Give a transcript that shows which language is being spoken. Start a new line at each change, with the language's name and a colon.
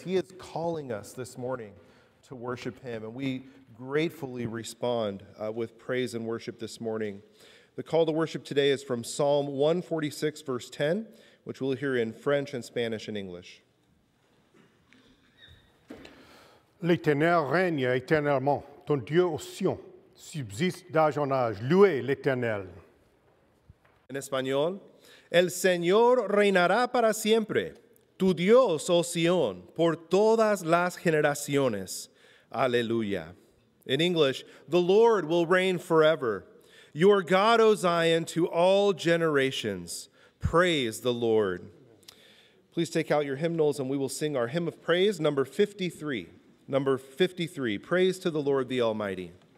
English: He is calling us this morning to worship Him, and we gratefully respond with praise and worship this morning. The call to worship today is from Psalm 146, verse 10. Which we'll hear in French and Spanish and English.
French: L'Éternel règne éternellement, ton Dieu aux cieux subsiste d'âge en âge. Louez l'Éternel.
Spanish: En español, el Señor reinará para siempre, tu Dios, oh Sion, por todas las generaciones. Aleluya.
English: In English, the Lord will reign forever, your God, O Zion, to all generations. Praise the Lord. Please take out your hymnals and we will sing our hymn of praise, number 53. Number 53, praise to the Lord the Almighty.